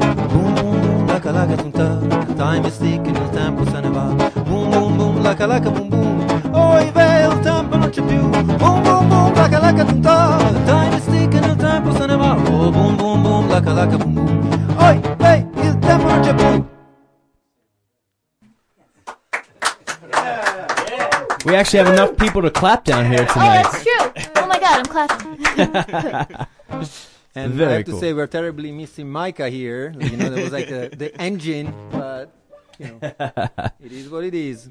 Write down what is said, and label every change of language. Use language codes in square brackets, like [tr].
[en] Boom, boom, boom, laka, laka, tum, ta. Time is ticking, [it] il tempo se ne va. Boom, boom, boom, laka, laka, boom, boom. Oi, veil, tempo non c'è più. [en] Boom, boom, boom, laka, laka, tum, ta. Time is ticking, [it] il tempo se ne va. Oh, boom, boom, boom, laka, laka, boom, boom. Oi, veil, il tempo non c'è più. [en] We actually have enough people to clap down here tonight. Oh, that's true. Oh, my God, I'm clapping. And very I have cool. to say, we're terribly missing Micah here. You know, that was like the engine, but, you know, it is what it is.